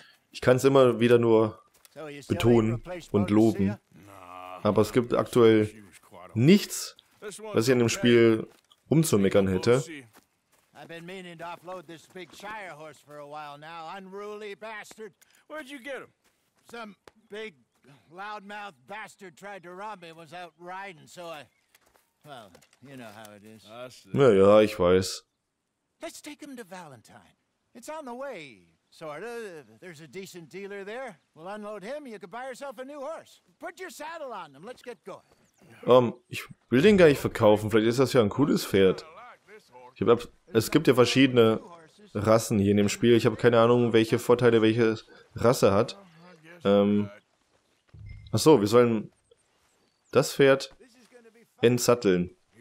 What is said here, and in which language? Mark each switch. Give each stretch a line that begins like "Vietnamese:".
German: Ich kann es immer wieder nur betonen und loben. Aber es gibt aktuell nichts, was ich an dem Spiel rumzumeckern hätte.
English: I've been meaning to offload this big Shire horse for a while now, unruly bastard. Where'd you get him? Some big, loudmouth bastard tried to rob me, was out riding, so I... Well, you know how it is.
German: Ja, ich weiß.
English: Let's take him to Valentine. It's on the way, sort of. There's a decent dealer there. We'll unload him, you could buy yourself a new horse. Put your saddle on him, let's get going.
German: Ich will den gar nicht verkaufen, vielleicht ist das ja ein cooles Pferd. Es gibt ja verschiedene Rassen hier in dem Spiel. Ich habe keine Ahnung, welche Vorteile welche Rasse hat. Achso, wir sollen das Pferd entsatteln.